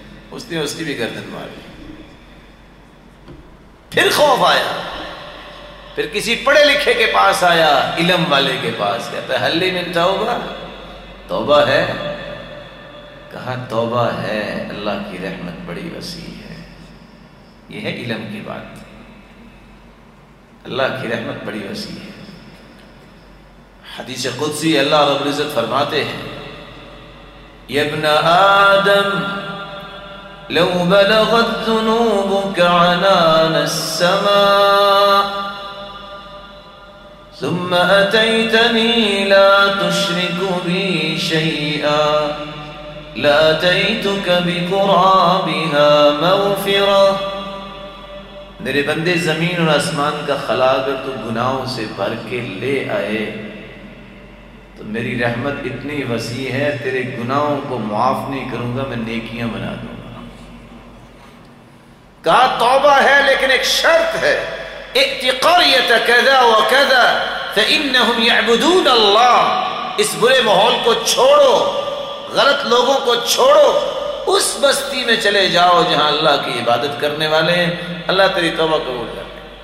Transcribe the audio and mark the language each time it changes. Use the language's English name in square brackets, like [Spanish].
[Urdu] اس نے اس کی بھی گردن ماری. پھر خوف آیا, پھر کسی پڑھے لکھے کے پاس آیا, علم والے کے پاس, کہتا ہے [Arabic] حلی من توبہ, [Urdu] توبہ ہے؟ کہا توبہ ہے, اللہ کی رحمت بڑی وسیع ہے. یہ ہے علم کی بات, اللہ کی رحمت بڑی وسیع ہے. حدیث قدسی, اللہ رب العزت فرماتے ہیں [Arabic] ابن آدم لو بلغت ذنوبك عنان السماء ثم اتيتني لا تشرك بي شيئا لاتيتك بقرابها مغفرة. [Urdu] میرے بندے, زمین اور آسمان کا خلا اگر تو گناہوں سے بھر کے لے آئے تو میری رحمت اتنی وسیع ہے, تیرے گناہوں کو معاف نہیں کروں گا, میں نیکیاں بنا دوں. کہا توبہ ہے لیکن ایک شرط ہے, [Arabic] اعتقاریت کذا و کذا فإنہم یعبدون اللہ, [Urdu] اس برے محول کو چھوڑو, غلط لوگوں کو چھوڑو, اس بستی میں چلے جاؤ جہاں اللہ کی عبادت کرنے والے ہیں, اللہ تیری توبہ قبول کر لے.